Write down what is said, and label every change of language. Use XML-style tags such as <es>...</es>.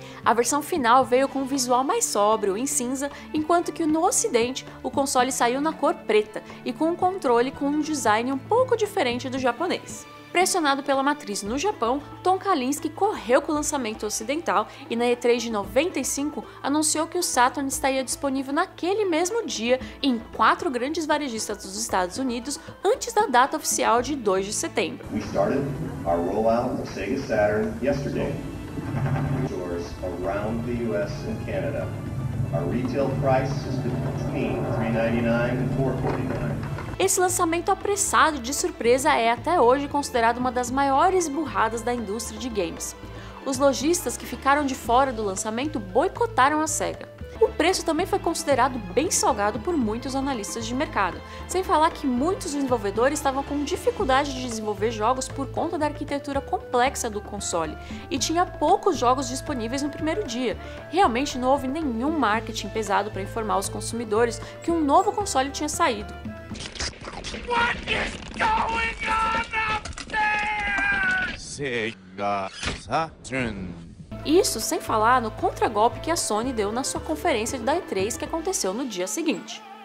<pt>A versão final veio com um visual mais sóbrio, em cinza, enquanto que no ocidente, o console saiu na cor preta e com um controle com um design um pouco diferente do japonês. Pressionado pela matriz no Japão, Tom Kalinske correu com o lançamento ocidental e na E3 de 95 anunciou que o Saturn estaria disponível naquele mesmo dia em 4 grandes varejistas dos Estados Unidos antes da data oficial de 2 de setembro.</pt> <en>We started our rollout of Sega Saturn yesterday. Stores around the US and Canada. Our retail price is between $399 and $449.</en> <pt>Esse lançamento apressado e de surpresa é até hoje considerado uma das maiores burradas da indústria de games. Os lojistas que ficaram de fora do lançamento boicotaram a Sega. O preço também foi considerado bem salgado por muitos analistas de mercado, sem falar que muitos desenvolvedores estavam com dificuldade de desenvolver jogos por conta da arquitetura complexa do console, e tinha poucos jogos disponíveis no primeiro dia. Realmente não houve nenhum marketing pesado para informar os consumidores que um novo console tinha saído.</pt> <en>What is going on up there? Sega Saturn.</en> <pt>Isso sem falar no contragolpe que a Sony deu na sua conferência da E3 que aconteceu no dia seguinte.</pt>